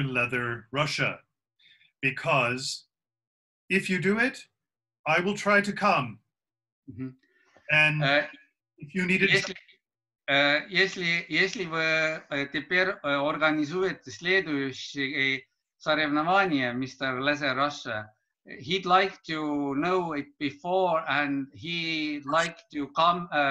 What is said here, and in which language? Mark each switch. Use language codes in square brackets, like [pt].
[en] Leather Russia, because if you do it, I will try to come. And if you need [ru] если вы теперь организуете следующие соревнования, Mr. [en] Leather Russia, he'd like to know it before, and he'd like to come.